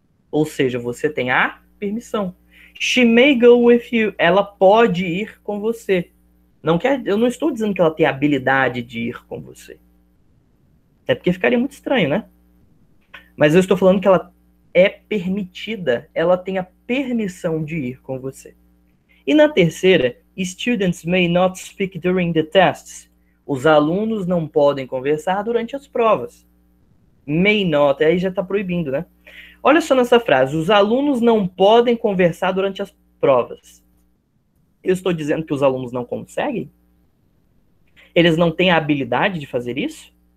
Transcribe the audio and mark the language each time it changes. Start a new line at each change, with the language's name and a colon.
Portuguese: Ou seja, você tem a permissão.
English: She may go with you.
Portuguese: Ela pode ir com você. Não quer, eu não estou dizendo que ela tem a habilidade de ir com você. É porque ficaria muito estranho, né? Mas eu estou falando que ela é permitida, ela tem a permissão de ir com você. E na terceira,
English: students may not speak during the tests.
Portuguese: Os alunos não podem conversar durante as provas.
English: May not,
Portuguese: aí já está proibindo, né? Olha só nessa frase: os alunos não podem conversar durante as provas. Eu estou dizendo que os alunos não conseguem? Eles não têm a habilidade de fazer isso?